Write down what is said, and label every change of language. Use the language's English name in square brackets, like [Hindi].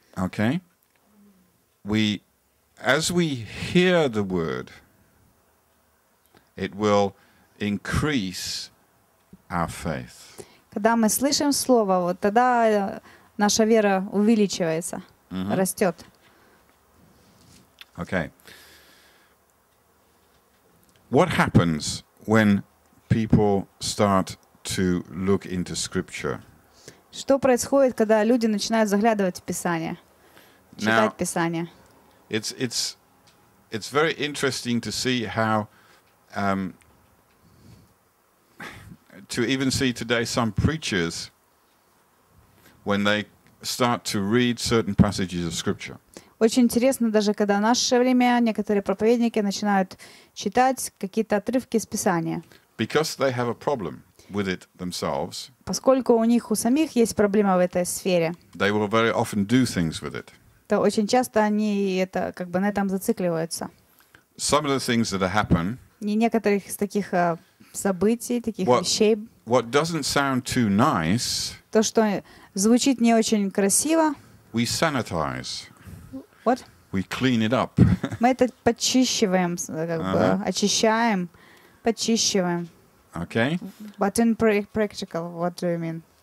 [English] Okay. We, as we hear the word, it will increase our faith. [Russian] Когда мы слышим слово, вот тогда наша вера увеличивается, mm-hmm. растет. [English] Okay. What happens when people start to look into Scripture? [Russian] Что происходит, когда люди начинают заглядывать в Писание, читать Писание? [English] It's very interesting to see how to even see today some preachers when they start to read certain passages of Scripture. [Russian] Очень интересно, даже когда в наше время некоторые проповедники начинают читать какие-то отрывки из Писания. [English] Because they have a problem with it themselves. [Russian] Поскольку у них у самих есть проблема в этой сфере. [English] They will very often do things with it. [Russian] То очень часто они это как бы на этом зацикливаются. [English] Some of the things that happen. [Russian] Не некоторых из таких событий, таких вещей. [English] What doesn't sound too nice. [Russian] То, что звучит не очень красиво. [English] We sanitize. What? We clean it up. [Russian] Мы это подчищиваем, как бы очищаем, подчищиваем. [English] Okay. But in practical, what do you mean?